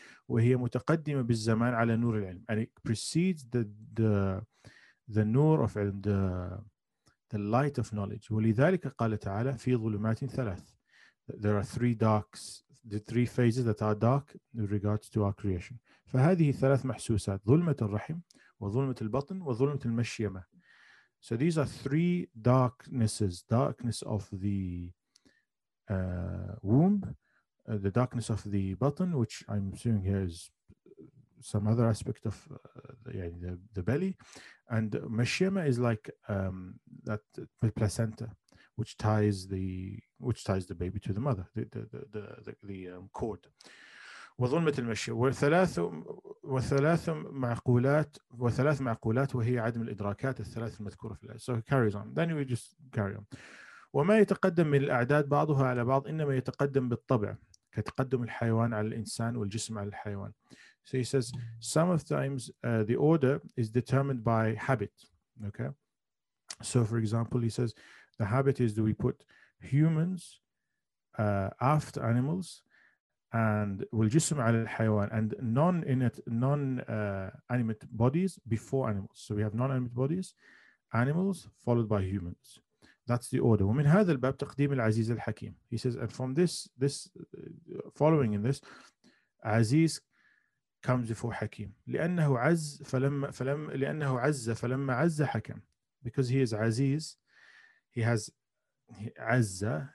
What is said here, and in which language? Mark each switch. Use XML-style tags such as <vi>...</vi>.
<ar>وهي متقدمة بالزمان على نور العلم,</ar> <en>and it precedes the نور of علم, the light of knowledge.</en> <ar>ولذلك قال تعالى في ظلمات ثلاث,</ar> <en>there are three darks, the three phases that are dark in regards to our creation.</en> <ar>فهذه ثلاث محسوسات, ظلمة الرحم وظلمة البطن وظلمة المشيمة.</ar> <en>So these are three darknesses, darkness of the womb, the darkness of the button, which I'm assuming here is some other aspect of the belly, and meshema is like that placenta, which ties the baby to the mother, the cord.</en> <ar>وظلمة المشي وثلاث معقولات وهي عدم الإدراكات الثلاث المذكورة في الآية.</ar> <en>So he carries on. Then we just carry on.</en> <ar>وما يتقدم من الأعداد بعضها على بعض إنما يتقدم بالطبع كتقدم الحيوان على الإنسان والجسم على الحيوان.</ar> <en>So he says some of times the order is determined by habit. Okay. So for example, he says the habit is, do we put humans after animals? And will</en> <ar>jism al hayawan,</ar> <en>and non-animate bodies before animals. So we have non-animate bodies, animals followed by humans. That's the order.</en> <ar>ومن هذا الباب تقديم العزيز الحكيم.</ar> <en>He says, and from this following in this, عزيز comes before حكيم.</en> <ar>لأنه عز فلما لأنه عز فلما عز حكم.</ar> <en>Because he is عزيز, he has عز.</en>